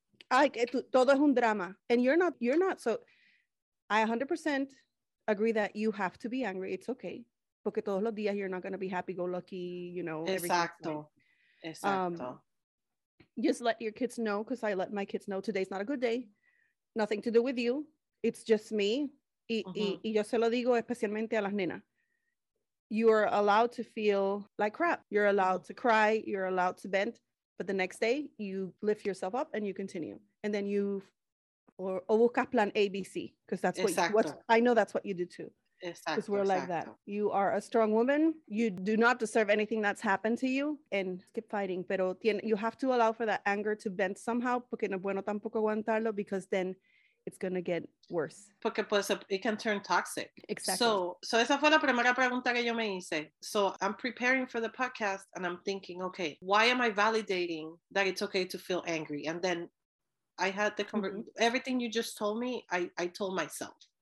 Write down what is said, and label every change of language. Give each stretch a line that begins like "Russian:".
Spanish: Ay, que todo es un drama,
English: and you're not, so I 100% agree that you have to be angry, it's okay,
Spanish: porque todos los días
English: you're not going to be happy-go-lucky, you know.
Spanish: Exacto,
English: Just let your kids know, because I let my kids know, today's not a good day. Nothing to do with you. It's just me.
Spanish: Y yo se lo digo especialmente a las nenas.
English: You are allowed to feel like crap. You're allowed to cry. You're allowed to vent. But the next day, you lift yourself up and you continue. And then you buscas plan A, B, C. Because that's what I know that's what you do too. Exacto, because we're like exacto. That. You are a strong woman. You do not deserve anything that's happened to you. And keep fighting. Pero you have to allow for that anger to vent somehow.
Spanish: Porque no es bueno tampoco aguantarlo.
English: Because then it's going to get worse. Porque pues, it can turn toxic. Exactly.
Spanish: So esa fue la primera pregunta que yo me hice.
English: So I'm preparing for the podcast and I'm thinking, okay, why am I validating that it's okay to feel angry? And then I had the mm-hmm. everything you just told me, I told myself.